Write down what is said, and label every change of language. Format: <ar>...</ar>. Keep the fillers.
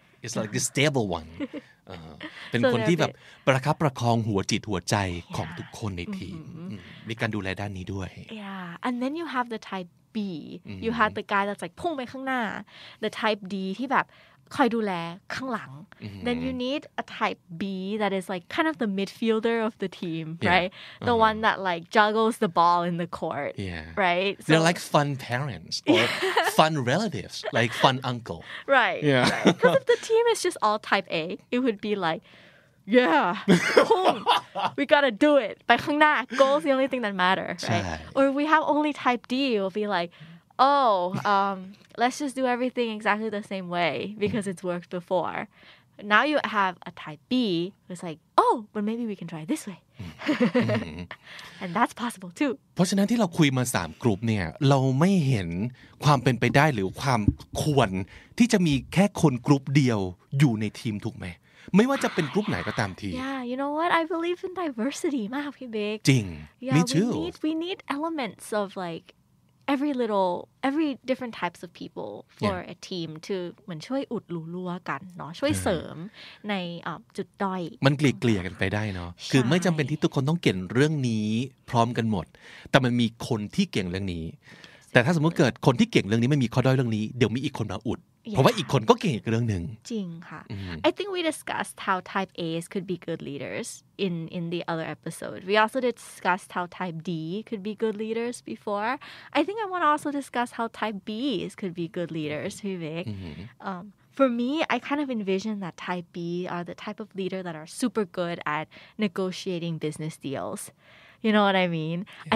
<en>it's like the stable one</en> <th>เป็นคนที่แบบ ประคับประคองหัวจิตหัวใจของทุกคนในทีม มีการดูแลด้านนี้ด้วย</th> <en>yeah and then you have the type B you have the guy that's like</en> <th>พุ่งไปข้างหน้า</th> <en>the type D</en> <th>ที่แบบคอยดูแลข้างหลัง</th> <en>then you need a type B that is like kind of the midfielder of the team yeah. right the uh-huh. one that like juggles the ball in the court yeah right so they're like fun parents or fun relatives like fun uncle right yeah because right. if the team is just all type A it would be like yeah boom, we gotta do it by goal is the only thing that matters, right? right or if we have only type D it will be like oh, um, let's just do everything exactly the same way because it's worked before. Now you have a type B who's like, oh, but maybe we can try this way. and that's possible too.</en> <th>เพราะฉะนั้นที่เราคุยมาสามกลุ่มเนี่ยเราไม่เห็นความเป็นไปได้หรือความควรที่จะมีแค่คนกลุ่มเดียวอยู่ในทีมถูกไหมไม่ว่าจะเป็นกลุ่มไหนก็ตามที</th> <en>Yeah you know what I believe in diversity</en> <th>มากพี่เบ๊กจริง</th> <en>Me too we need we need elements of like every little every different types of people for yeah. a team to</en> <th>เหมือนช่วยอุดรูรั่วกันเนาะ ช่วยเสริมในจุดด้อย มันเกลี่ยเกลี่ยกันไปได้เนาะ คือไม่จําเป็นที่ทุกคนต้องเก่งเรื่องนี้พร้อมกันหมด แต่มันมีคนที่เก่งเรื่องนี้ แต่ถ้าสมมุติเกิดคนที่เก่งเรื่องนี้ไม่มีข้อด้อยเรื่องนี้ เดี๋ยวมีอีกคนมาอุด</th> <en>Yeah.</en> <th>เพราะว่าอีกคนก็เก่งอีกเรื่องหนึ่งจริงค่ะ</th> <en>I think we discussed how type A's could be good leaders in in the other episode we also discussed how type D could be good leaders before I think I want to also discuss how type B's could be good leaders</en> <th>พี่เบ</th> <en>um, for me I kind of envision that type B are the type of leader that are super good at negotiating business deals you know what I mean yeah.</en>